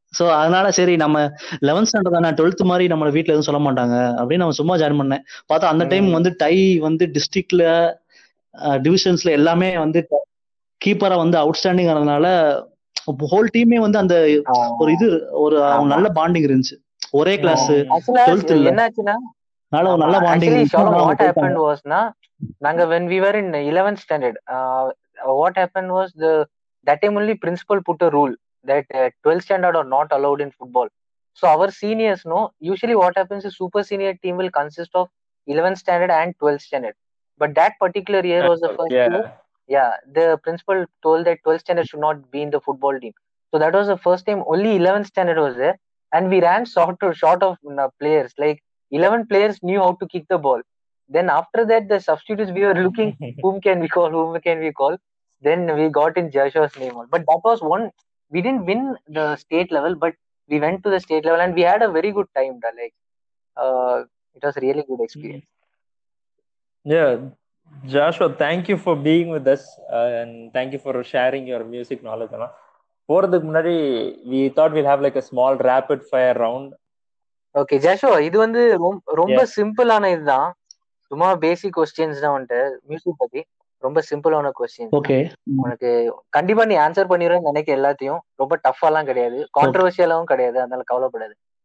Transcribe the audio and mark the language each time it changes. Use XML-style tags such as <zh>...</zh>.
<ta>So அதனால சரி நம்ம லெவன்த் ஸ்டாண்டர்ட் தானே டுவெல்த் மாதிரி நம்ம வீட்டுல எதுவும் சொல்ல மாட்டாங்க அப்படின்னு நம்ம சும்மா ஜாயின் பண்ணேன். பார்த்தா அந்த டைம் வந்து டை வந்து டிஸ்ட்ரிக்ட்ல டிவிஷன்ஸ்ல எல்லாமே வந்து கீப்பரா வந்து அவுட்ஸ்டாண்டிங் ஆனதுனால ஹோல் டீமே வந்து அந்த ஒரு இது ஒரு நல்ல பாண்டிங் இருந்துச்சு. ஒரே கிளாஸ் டுவெல்த் என்னாச்சுன்னா ஒரு நல்ல பாண்டிங் நாங்க</ta> <en>when we were in 11th standard what happened was the that time only principal put a rule that 12th standard are not allowed in football. So our seniors know usually what happens is super senior team will consist of 11th standard and 12th standard, but that particular year was the first year the principal told that 12th standard should not be in the football team. So that was the first time only 11th standard was there, and we ran short of players. Like 11 players knew how to kick the ball. Then after that, the substitutes, we were looking, whom can we call? Then we got in Joshua's name. But that was one, we didn't win the state level, but we went to the state level and we had a very good time. Like, it was a really good experience. Yeah, Joshua, thank you for being with us and thank you for sharing your music knowledge.</en> <ta>போறதுக்கு முன்னாடி,</ta> <en>we thought we'll have like a small rapid fire round.</en> <ta>Okay, Joshua, இது வந்து ரொம்ப சிம்பிளான இதுதான். சும்மா பேசிக் questions தான் வந்துட்டு மியூசிக் பத்தி ரொம்ப சிம்பிளான க்வெஸ்சன்ஸ். ஓகே, உனக்கு கண்டிப்பா நீ ஆன்சர் பண்ணிடுற நினைக்க எல்லாத்தையும். ரொம்ப டஃபாலாம் கிடையாது, கான்ட்ரவர்சியலாவும் கிடையாது, அதனால கவலைப்படாது.</ta>